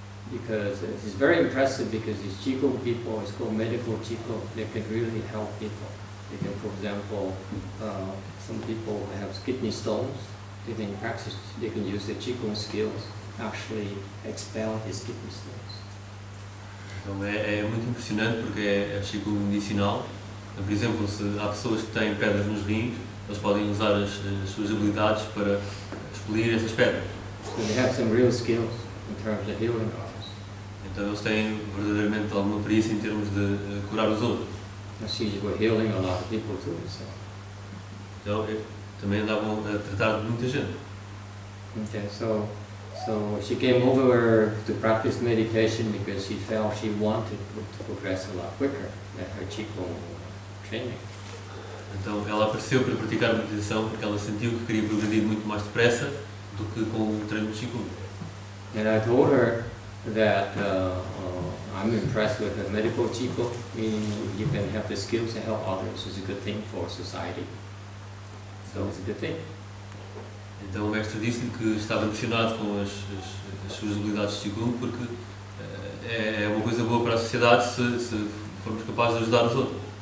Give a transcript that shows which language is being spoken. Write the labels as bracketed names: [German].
[English] Because it's very impressive because these Qigong people, it's called medical Qigong, they can really help people. They can, for example, some people have kidney stones, they can practice, they can use the Qigong skills actually expel these kidney stones. [Portuguese] Então é muito impressionante porque é Qigong medicinal. Por exemplo, se há pessoas que têm pedras nos rins, eles podem usar as suas habilidades para expelir essas pedras. [English] So they have some real skills in terms of healing others. [Portuguese] Então eles têm verdadeiramente alguma perícia em termos de curar os outros. [English] She's been healing a lot of people too, so. [Portuguese] Então também andavam a tratar de muita gente. [English] Okay, so she came over to practice meditation because she felt she wanted to progress a lot quicker than her qigong. [Portuguese] Então ela apareceu para praticar a meditação porque ela sentiu que queria progredir muito mais depressa do que com o treino de qigong. [English] And I told her that I'm impressed with the medical qigong, meaning you can have the skills to help others. It's a good thing for society. So it's a good thing. [Portuguese] Então o mestre disse-lhe que estava impressionado com as suas habilidades de qigong porque é uma coisa boa para a sociedade se formos capazes de ajudar os outros.